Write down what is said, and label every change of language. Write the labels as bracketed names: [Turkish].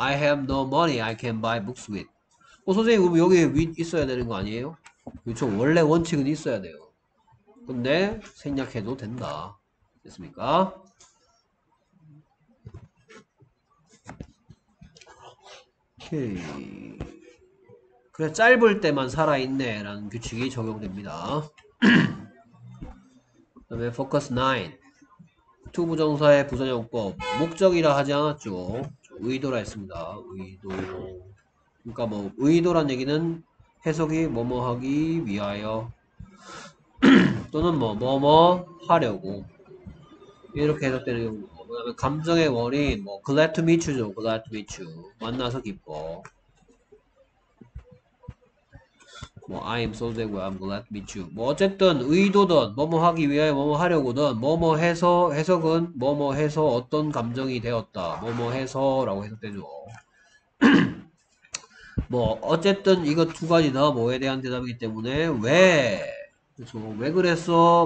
[English] I have no money I can buy books with. [Korean] 선생님, 그럼 여기에 with 있어야 되는 거 아니에요? 그렇죠. 원래 원칙은 있어야 돼요. 근데 생략해도 된다. 됐습니까? 오케이. 그래, 짧을 때만 살아있네라는 규칙이 적용됩니다. 그다음에 focus 9. to 부정사의 부정형법. 목적이라 하지 않았죠. 의도라 했습니다. 의도. 그러니까 뭐 의도란 얘기는 해석이 뭐뭐하기 위하여 또는 뭐뭐뭐하려고 이렇게 해석되는 경우. 그다음에 감정의 원인. 뭐 [English] glad to meet you [Korean] 죠. glad to meet you. 만나서 기뻐. [English] 뭐 I am so 되고 I'm glad to meet you. [Korean] 뭐 어쨌든 의도든 뭐뭐 하기 위하여 뭐뭐 하려고든 뭐뭐 해서 해석은 뭐뭐 해서 어떤 감정이 되었다. 뭐뭐 해서라고 해석되죠. 뭐 어쨌든 이거 두 가지 다 뭐에 대한 대답이기 때문에 왜 그렇죠. 왜 그랬어?